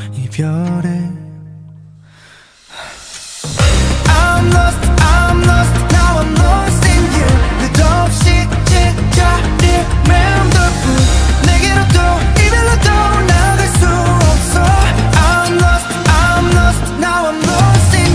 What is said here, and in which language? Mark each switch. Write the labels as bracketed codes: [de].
[ko] 별에 [en] I'm lost, I'm lost, now I'm lost in you. [ko] 끝도 없이 찢어질 맴돌뿐. 내게로도 이별로도 나갈 수 없어. [en] I'm lost, I'm lost, now I'm lost.